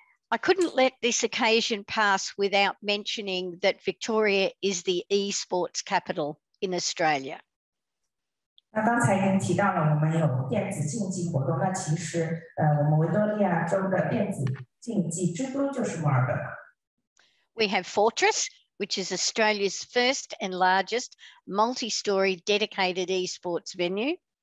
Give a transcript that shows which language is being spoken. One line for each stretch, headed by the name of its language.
English: I couldn't let this occasion pass without mentioning that Victoria is the esports capital in Australia.
Chinese: 那刚才已经提到了我们有电子竞技活动，那其实我们维多利亚州的电子竞技之都就是墨尔本。
English: We have Fortress, which is Australia's first and largest multi-story dedicated esports venue.